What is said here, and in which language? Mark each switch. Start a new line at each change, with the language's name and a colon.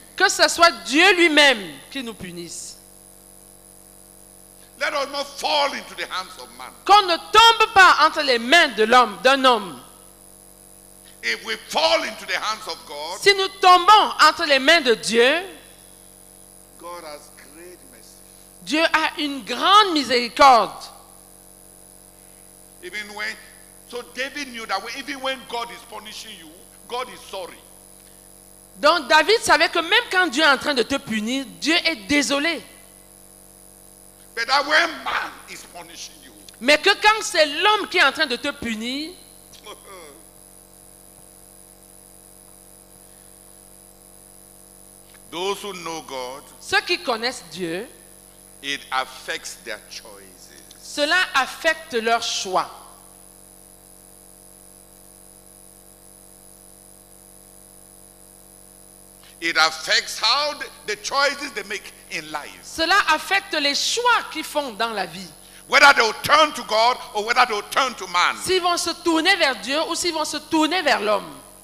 French: Que ce soit Dieu lui-même qui nous punisse.
English: Let us not fall into the hands of man.
French: Qu'on ne tombe pas entre les mains de l'homme, d'un homme.
English: If we fall into the hands of God,
French: si nous tombons entre les mains de Dieu,
English: God has great mercy.
French: Dieu a une grande miséricorde.
English: Even when So David knew that even when God is punishing you, God is sorry.
French: Donc David savait que même quand Dieu est en train de te punir, Dieu est désolé.
English: But that when man is punishing you.
French: Mais que quand c'est l'homme qui est en train de te punir,
English: those who know God,
French: ceux qui connaissent Dieu,
English: it affects their choices.
French: Cela affecte leur choix.
English: It affects how the choices they make in life.
French: Cela affecte les choix qu'ils font dans la vie.
English: Whether they'll turn to God or whether they'll turn to man.
French: S'ils vont se tourner vers Dieu ou s'ils vont se tourner vers l'homme.